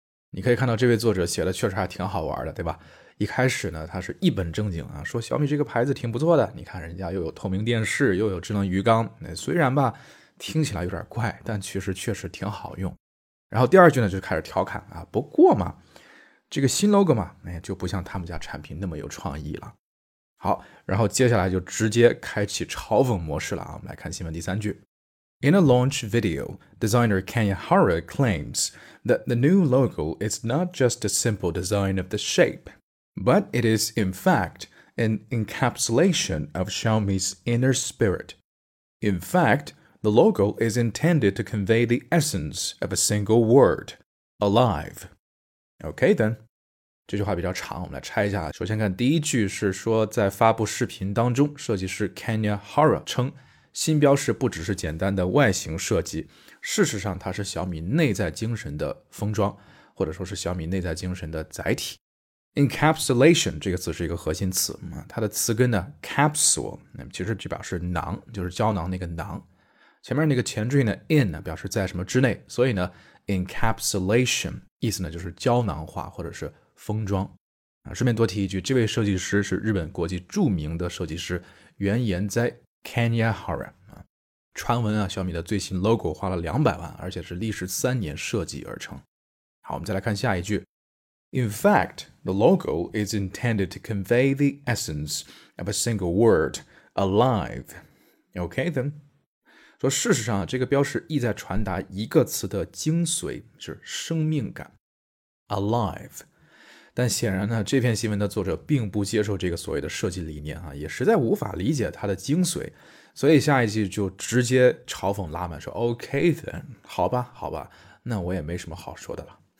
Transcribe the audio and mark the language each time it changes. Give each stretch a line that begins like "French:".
Chinese: 你可以看到这位作者写的确实还挺好玩的，对吧？一开始呢他是一本正经啊，说小米这个牌子挺不错的，你看人家又有透明电视又有智能鱼缸，虽然吧听起来有点怪，但其实确实挺好用。然后第二句呢就开始调侃啊，不过嘛这个新 logo 嘛，就不像他们家产品那么有创意了。好，然后接下来就直接开启嘲讽模式了啊。我们来看新闻第三句。
English: In a launch video, designer Kenya Hara claims that the new logo is not just a simple design of the shape, but it is in fact an encapsulation of Xiaomi's inner spirit. In fact, the logo is intended to convey the essence of a single word, alive. Okay then.
Chinese: 这句话比较长，我们来拆一下。首先看第一句是说，在发布视频当中，设计师 Kenya Hara 称新标识不只是简单的外形设计，事实上它是小米内在精神的封装，或者说是小米内在精神的载体。 Encapsulation 这个词是一个核心词，它的词根呢 capsule 其实就表示囊，就是胶囊那个囊，前面那个前缀呢 in 呢表示在什么之内，所以呢 encapsulation 意思呢就是胶囊化或者是封装。顺便多提一句，这位设计师是日本国际著名的设计师原研哉Kenya Hara。传闻啊，小米的最新 logo 花了200万，而且是历时3年设计而成。好，我们再来看下一句。
English: In fact, the logo is intended to convey the essence of a single word, alive. Okay then.
Chinese: 说事实上，这个标识意在传达一个词的精髓，是生命感， alive。但显然呢，这篇新闻的作者并不接受这个所谓的设计理念啊，也实在无法理解它的精髓，所以下一句就直接嘲讽拉满说 OK then，好吧好吧，那我也没什么好说的了。